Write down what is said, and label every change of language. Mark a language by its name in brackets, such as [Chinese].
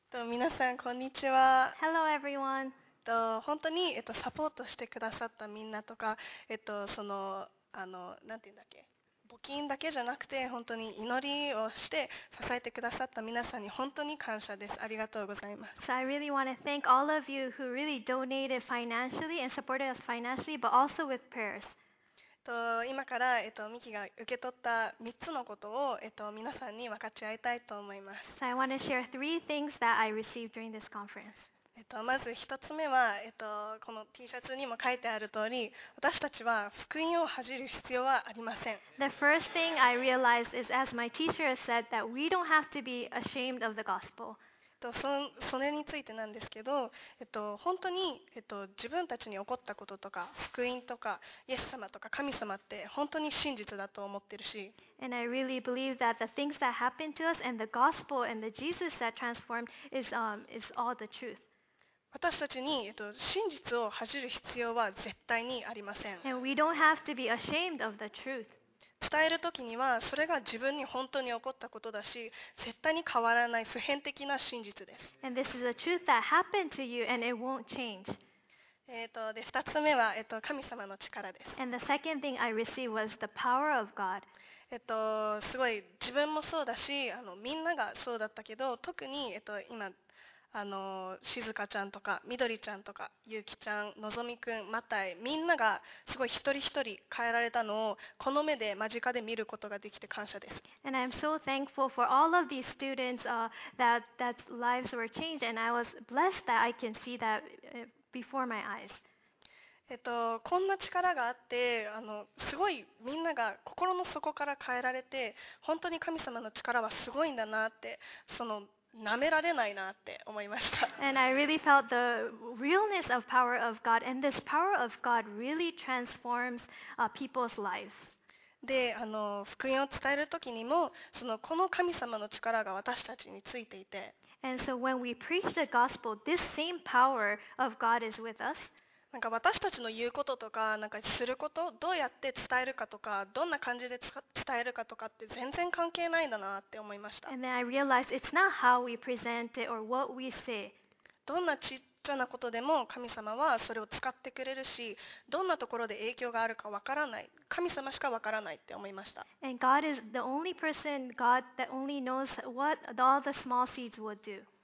[Japanese] 皆さんこんにちは。 [English] Hello everyone. [Japanese] 本当にサポートしてくださったみんなとか、なんていうんだっけ、募金だけじゃなくて本当に祈りをして支えてくださった皆さんに本当に感謝です。ありがとうございます。 [English] So I really want to thank all of you who really donated financially and supported us financially, but also with prayers. [Japanese] 今からミキが受け取った3つのことを皆さんに分かち合いたいと思います。 [English] So I want to share three things that I received during this conference. [Japanese] まず1つ目はこの T シャツにも書いてある通り、私たちは福音を恥じる必要はありません。 [English] The first thing I realized is as my teacher said that we don't have to be ashamed of the gospel. [Japanese] それについてなんですけど、本当に、自分たちに起こったこととか福音とかイエス様とか神様って本当に真実だと思ってるし、 [English] And I really believe that the things that happened to us and the gospel and the Jesus that transformed is all the truth. [Japanese] 私たちに、真実を恥じる必要は絶対にありません。 [English] And we don't have to be ashamed of the truth. [Japanese] 伝えるときにはそれが自分に本当に起こったことだし、絶対に変わらない普遍的な真実です。 [English] And this is a truth that happened to you and it won't change. [Japanese] で2つ目は、神様の力です。 [English] And the second thing I received was the power of God. [Japanese] すごい自分もそうだし、みんながそうだったけど、特に、今しずかちゃんとかみどりちゃんとかゆうきちゃん、のぞみくん、まったい、みんながすごい一人一人変えられたのをこの目で間近で見ることができて感謝です。 [English] And I'm so thankful for all of these students, that lives were changed, and I was blessed that I can see that before my eyes. [Japanese] こんな力があって、すごいみんなが心の底から変えられて、本当に神様の力はすごいんだなって、舐められないなって思いました。 [English] And I really felt the realness of power of God, and this power of God really transforms people's lives. [Japanese] で、福音を伝えるときにも、この神様の力が私たちについていて。 [English] And so when we preach the gospel, this same power of God is with us. [Japanese] なんか私たちの言うこととか、なんかすること、どうやって伝えるかとか、どんな感じで伝えるかとかって全然関係ないんだなって思いました。 [English] And then I realized it's not how we present it or what we say. [Japanese] どんなちっちゃなことでも神様はそれを使ってくれるし、どんなところで影響があるかわからない、神様しかわからないって思いました。 [English] And God is the only person, God that only knows what all the small seeds will do.